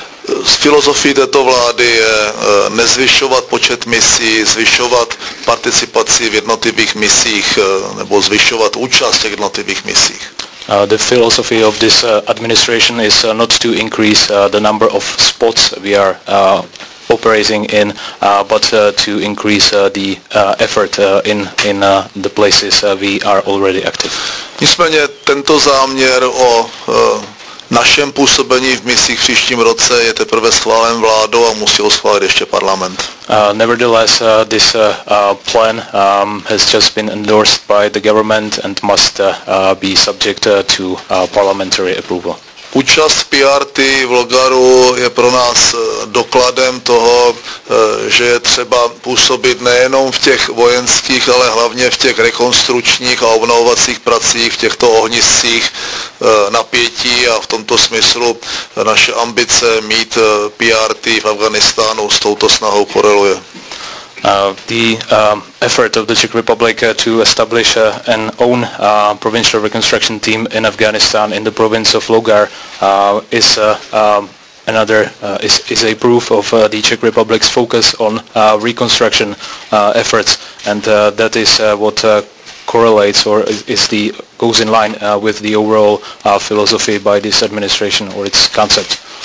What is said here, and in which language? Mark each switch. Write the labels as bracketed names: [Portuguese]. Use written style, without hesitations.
[Czech] Z filozofie této vlády je nezvyšovat počet misí, zvyšovat participaci v jednotlivých misích nebo zvyšovat účast v jednotlivých misích. [English] The philosophy of this administration is not to increase the number of spots we are operating in, but to increase the effort in the places we are already active. [Czech] Nicméně tento záměr o našem působení v misích v příštím roce je teprve schválen vládou a musí ho schválit ještě parlament. [English] Nevertheless, this plan has just been endorsed by the government and must be subject to parliamentary approval. [Czech] Účast PRT v Logaru je pro nás dokladem toho, že je třeba působit nejenom v těch vojenských, ale hlavně v těch rekonstrukčních a obnovovacích pracích, v těchto ohniscích napětí, a v tomto smyslu naše ambice mít PRT v Afghánistánu s touto snahou koreluje. [English] Effort of the Czech Republic to establish an own provincial reconstruction team in Afghanistan in the province of Logar is a proof of the Czech Republic's focus on reconstruction efforts, and that is what correlates or is the goes in line with the overall philosophy by this administration or its concept.